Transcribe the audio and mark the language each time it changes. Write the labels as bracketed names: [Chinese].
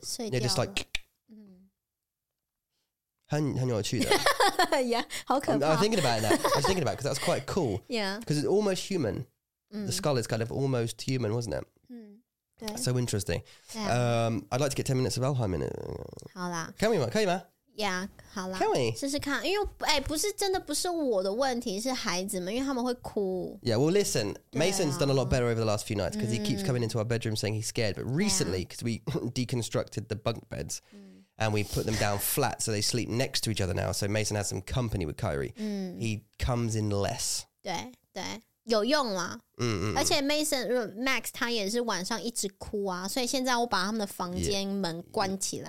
[Chinese] 碎掉了 [English] yeah, just like, [Chinese] 很有趣的 Yeah, 好可怕 [English] I was thinking about it now. I was thinking about it because that's quite cool. Yeah. Because it's almost human. The skull is kind of almost human, wasn't it? So interesting. I'd like to get 10 minutes of Alheim in it. [Chinese] 好啦，可以吗？可以吗？ Yeah, 好啦，试试看，因为哎，不是真的不是我的问题，是孩子们，因为他们会哭。 [English] Yeah, well, listen, Mason's done a lot better over the last few nights because he keeps coming into our bedroom saying he's scared. But recently, because we deconstructed the bunk beds and we put them down flat, so they sleep next to each other now. So Mason has some company with Kyrie. He comes in less. [Chinese] 对，有用啦。而且 Mason Max 他也是晚上一直哭啊，所以现在我把他们的房间门关起来。